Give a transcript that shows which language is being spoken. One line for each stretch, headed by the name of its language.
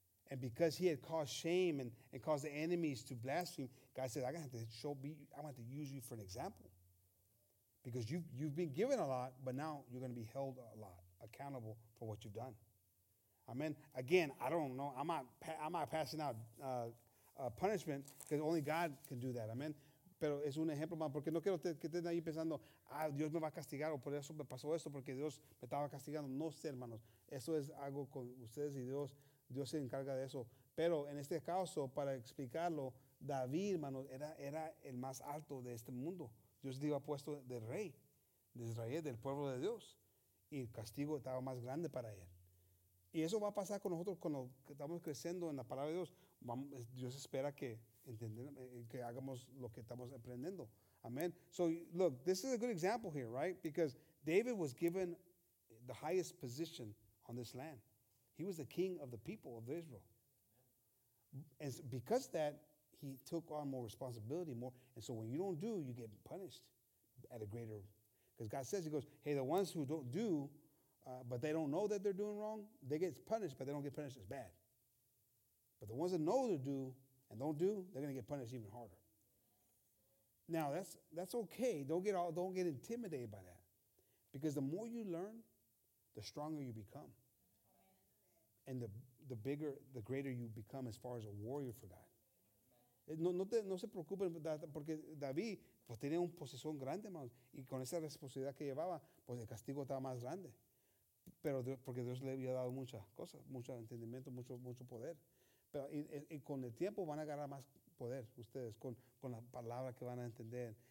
English: And because he had caused shame and caused the enemies to blaspheme, God said, I'm going to use you for an example. Because you've been given a lot, but now you're going to be held a lot, accountable for what you've done. Amen. Again, I don't know. I'm not passing out punishment, because only God can do that. Amen.
Spanish: Pero es un ejemplo más, porque no quiero que estén ahí pensando, ah, Dios me va a castigar, o por eso me pasó esto, porque Dios me estaba castigando. No sé, hermanos. Eso es algo con ustedes y Dios. Dios se encarga de eso. Pero en este caso, para explicarlo, David, hermanos, era el más alto de este mundo. Dios le iba puesto de rey, de Israel, del pueblo de Dios. Y el castigo estaba más grande para él. Y eso va a pasar con nosotros cuando estamos creciendo en la palabra de Dios. Dios espera que hagamos lo que estamos aprendiendo. Amen.
English: So, look, this is a good example here, right? Because David was given the highest position on this land. He was the king of the people of Israel. And because of that, he took on more responsibility, more. And so when you don't do, you get punished at a greater. Because God says, he goes, hey, the ones who don't do, but they don't know that they're doing wrong, they get punished, but they don't get punished as bad. But the ones that know to do and don't do, they're going to get punished even harder. Now, that's okay. Don't get intimidated by that. Because the more you learn, the stronger you become. And the bigger, the greater you become as far as a warrior for God.
Spanish: No se preocupen, porque David pues tenía una posición grande, hermanos, y con esa responsabilidad que llevaba, pues el castigo estaba más grande. Pero porque Dios le había dado muchas cosas, mucho entendimiento, mucho poder. Pero y con el tiempo van a agarrar más poder ustedes, con la palabra que van a entender.